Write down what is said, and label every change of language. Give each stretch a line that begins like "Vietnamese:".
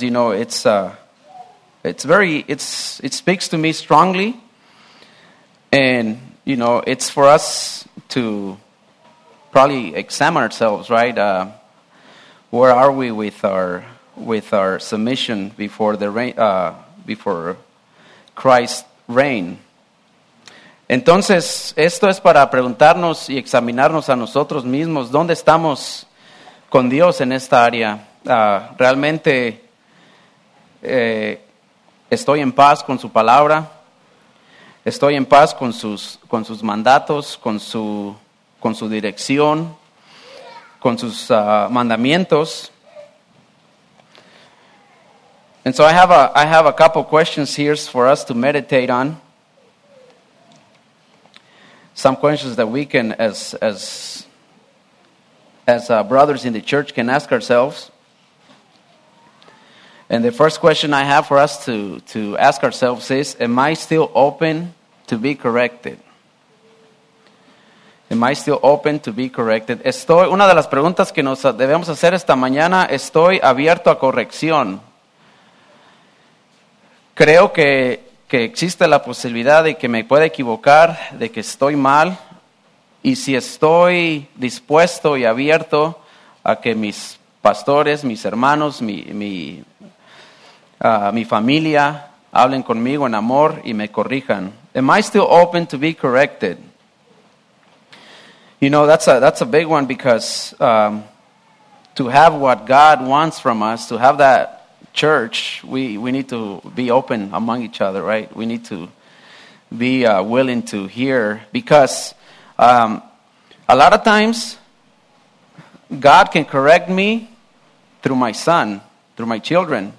English: You know, it speaks to me strongly, and you know, it's for us to probably examine ourselves, right? Where are we with our submission before the reign, before Christ reign?
Spanish: Entonces, esto es para preguntarnos y examinarnos a nosotros mismos. ¿Dónde estamos con Dios en esta área? ¿Realmente estoy en paz con su palabra? ¿Estoy en paz con sus mandatos, con su dirección, con sus mandamientos?
English: And so I have a couple questions here for us to meditate on. Some questions that we can, as brothers in the church, can ask ourselves. And the first question I have for us to ask ourselves is, am I still open to be corrected? Am I still open to be corrected?
Spanish: Estoy, una de las preguntas que nos debemos hacer esta mañana, estoy abierto a corrección. Creo que existe la posibilidad de que me pueda equivocar, de que estoy mal, y si estoy dispuesto y abierto a que mis pastores, mis hermanos, mi familia hablen conmigo en amor y me corrijan.
English: Am I still open to be corrected? You know, that's a big one, because to have what God wants from us, to have that church, we need to be open among each other, right? We need to be willing to hear, because a lot of times God can correct me through my son, through my children.